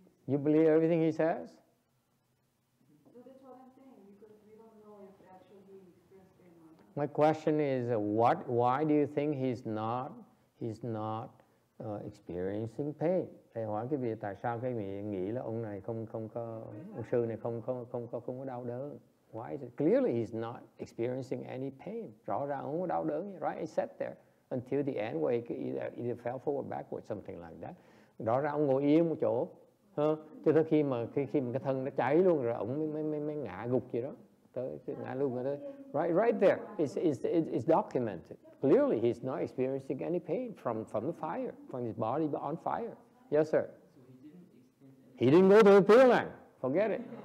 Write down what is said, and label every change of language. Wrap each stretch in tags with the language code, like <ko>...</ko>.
<en>You believe everything he says? So that's what I'm saying, because we don't know if actually he experienced pain or not. My question is, why do you think he's not experiencing pain?</en> <vi>Thầy hỏi cái việc tại sao cái người nghĩ là ông này không có, ông sư này không có đau đớn.</vi> <en>Why is it? Clearly he's not experiencing any pain.</en> <vi>Rõ ràng ông có đau đớn,</vi> <en>right? He sat there until the end where he either fell forward, backward, something like that.</en> <vi>Đó ra ông ngồi yên một chỗ. Ha? Cho tới khi mà cái thân nó cháy luôn rồi ông mới ngã gục gì đó. Tới ngã luôn rồi đó.</vi> <en>Right there. It's documented. Clearly he's not experiencing any pain from the fire, from his body on fire. Yes, sir. He didn't go to the Pure Land. Forget it.</en>